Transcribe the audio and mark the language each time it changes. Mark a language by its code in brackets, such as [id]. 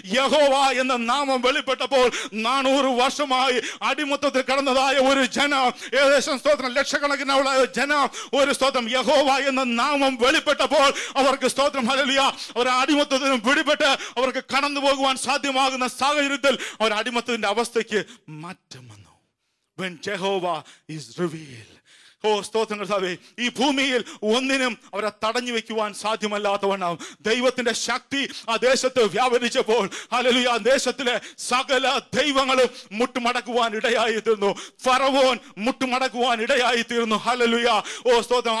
[ml] യഹോവ എന്ന നാമം വെളിപ്പെട്ടപ്പോൾ 400 വർഷമായി അടിമത്തത്തിൽ കടന്നതായ ഒരു ജനം, ഏകദേശം സ്തോത്രം ലക്ഷക്കണക്കിനുള്ള ജനം, ഒരു സ്തോത്രം യഹോവ എന്ന നാമം വെളിപ്പെട്ടപ്പോൾ അവർക്ക് സ്തോത്രം, ഹല്ലേലൂയ, അവരുടെ അടിമത്തത്തിനും വിടിപെട്ട് അവർക്ക് കടന്നു പോകുവാൻ സാധ്യമാകുന്ന സാഹചര്യത്തിൽ അവർ അടിമത്തത്തിന്റെ അവസ്ഥയ്ക്ക് മാറ്റം വന്നു. [en] When Jehovah is revealed. [ml] ഓ സ്തോത്രങ്ങൾ സഭേ, ഈ ഭൂമിയിൽ ഒന്നിനും അവരെ തടഞ്ഞു വെക്കുവാൻ സാധ്യമല്ലാത്തവണ്ണം ദൈവത്തിന്റെ ശക്തി ആ ദേശത്ത് വ്യാപരിച്ചപ്പോൾ, ഹല്ലേലൂയ, ആ ദേശത്തിലെ സകല ദൈവങ്ങളും മുട്ടുമടക്കുവാൻ ഇടയായി തീർന്നു. ഫറവോൻ മുട്ടുമടക്കുവാൻ ഇടയായി തീർന്നു. ഹല്ലേലൂയ. ഓ സ്തോത്രം.